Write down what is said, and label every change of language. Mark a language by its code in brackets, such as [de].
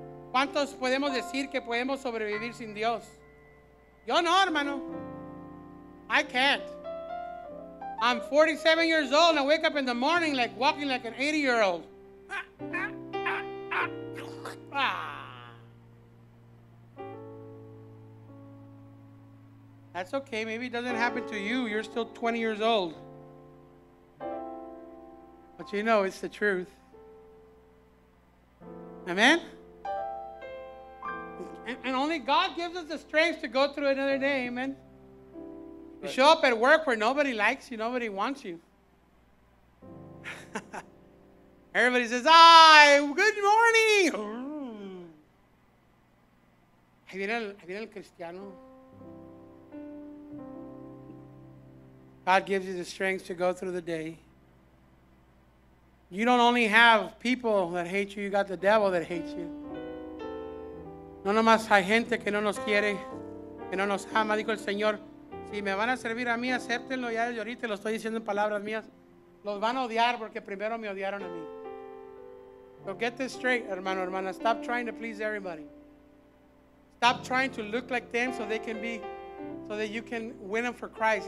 [es] ¿Cuántos podemos decir que podemos sobrevivir sin Dios? Yo no, hermano. [en] I can't. I'm 47 years old and I wake up in the morning like walking like an 80-year-old. That's okay. Maybe it doesn't happen to you. You're still 20 years old. But you know it's the truth. Amen? And only God gives us the strength to go through another day, amen. Right. You show up at work where nobody likes you, nobody wants you. Everybody says, "Ay, good morning." [es] Ahí viene el cristiano. [en] God gives you the strength to go through the day. You don't only have people that hate you, you got the devil that hates you. [es] No nomás hay gente que no nos quiere, que no nos ama, dijo el Señor. Si me van a servir a mí, acéptenlo ya desde ahorita, lo estoy diciendo en palabras mías. Los van a odiar porque primero me odiaron a mí. [en] So get this straight, hermano, hermana. Stop trying to please everybody. Stop trying to look like them so they can be, so that you can win them for Christ.